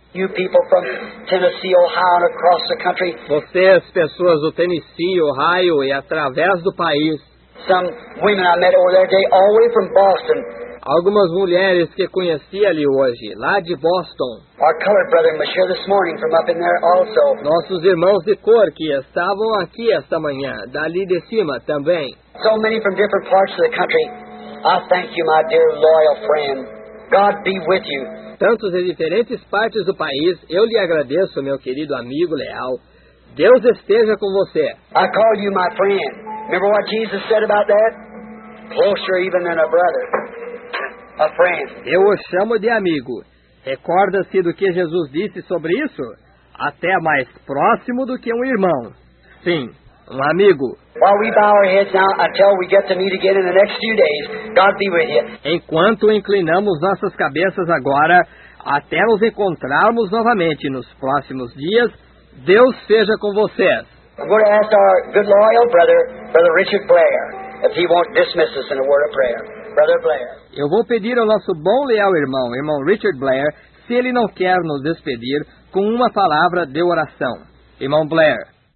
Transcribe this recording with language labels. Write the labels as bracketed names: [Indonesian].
[English] you people from Tennessee, Ohio, and across the country. [Portuguese] Vocês, pessoas do Tennessee, Ohio e através do país, [English] some women I met over there, they all the way from Boston. [Portuguese] Algumas mulheres que conheci ali hoje, lá de Boston. [English] Our colored brother was here this morning from up in there also. [Portuguese] Nossos irmãos de cor que estavam aqui esta manhã, dali de cima também. [English] So many from different parts of the country. I thank you, my dear loyal friend. God be with you. [Portuguese] Tantos de diferentes partes do país, eu lhe agradeço, meu querido amigo leal. Deus esteja com você. [English] I call you my friend. Remember what Jesus said about that? Closer even than a brother. A friend. [Portuguese] Eu o chamo de amigo. Recorda-se do que Jesus disse sobre isso? Até mais próximo do que um irmão. Sim, um amigo. [English] While we bow our heads now until we get to meet again in the next few days, God be with you. [Portuguese] Enquanto inclinamos nossas cabeças agora, até nos encontrarmos novamente nos próximos dias, Deus seja com vocês. [English] I'm going to ask our good loyal brother, Brother Richard Blair, if he won't dismiss us in a word of prayer. Brother Blair. [Portuguese] Eu vou pedir ao nosso bom leal irmão, irmão Richard Blair, se ele não quer nos despedir com uma palavra de oração. Irmão Blair.